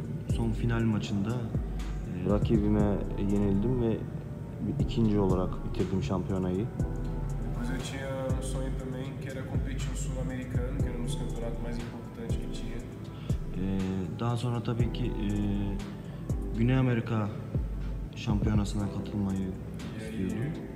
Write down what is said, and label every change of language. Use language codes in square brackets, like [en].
[tr] Son final maçında rakibime yenildim ve ikinci olarak bitirdim şampiyonayı. [pt] Depois eu tinha um sonho também que era competir no Sul-Americano, que era um dos campeonatos mais importantes que tinha. [tr] Daha sonra tabii ki Güney Amerika şampiyonasına katılmayı istiyordum.